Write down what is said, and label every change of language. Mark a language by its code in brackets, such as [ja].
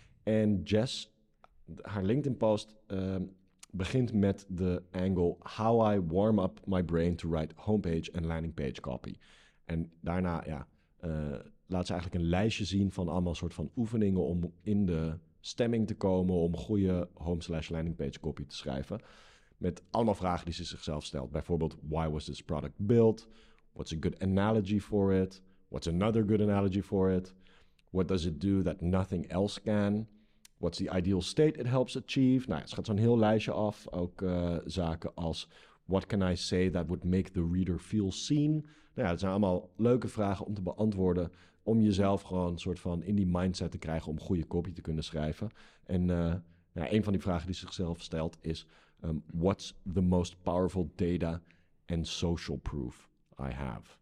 [nl] En Jess, haar LinkedIn post begint met de angle [en] How I warm up my brain to write homepage and landing page copy. [nl] En daarna laat ze eigenlijk een lijstje zien van allemaal soort van oefeningen om in de stemming te komen om goede home/landingpage copy te schrijven. Met allemaal vragen die ze zichzelf stelt. Bijvoorbeeld, [en] why was this product built? What's a good analogy for it? What's another good analogy for it? What does it do that nothing else can? What's the ideal state it helps achieve? [nl] Nou, ze gaat zo'n heel lijstje af. Ook zaken als, [en] what can I say that would make the reader feel seen? [nl] Nou ja, het zijn allemaal leuke vragen om te beantwoorden, om jezelf gewoon een soort van in die mindset te krijgen om goede copy te kunnen schrijven. En een van die vragen die zichzelf stelt is, [en] what's the most powerful data and social proof I have?